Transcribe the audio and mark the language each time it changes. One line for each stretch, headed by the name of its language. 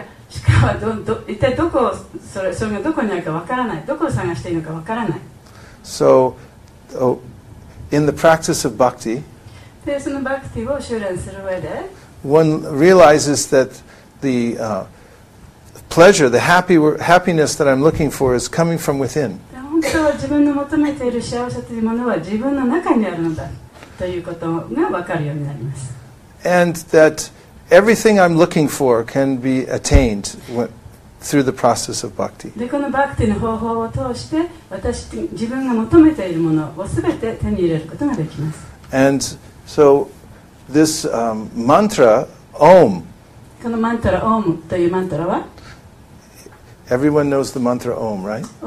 Japanese: しかも一体どこそれがどこにあるかわからない。どこを探していいのかわからない。
English: So, in the practice of bhakti,
Japanese: でそのバクティを修練する上で、
English: one realizes that the pleasure, the happiness that I'm looking for is coming from within.
Japanese: 本当は自分の求めている幸せというものは自分の中にあるのだということがわかるようになります。
English: And that everything I'm looking for can be attained through the process of bhakti.
Japanese: でこのバクティの方法を通して、私自分が求めているものをすべて手に入れることができます。
English: And so this mantra, Om.
Japanese: このマントラ、オムというマントラは、
English: everyone knows the mantra Om, right?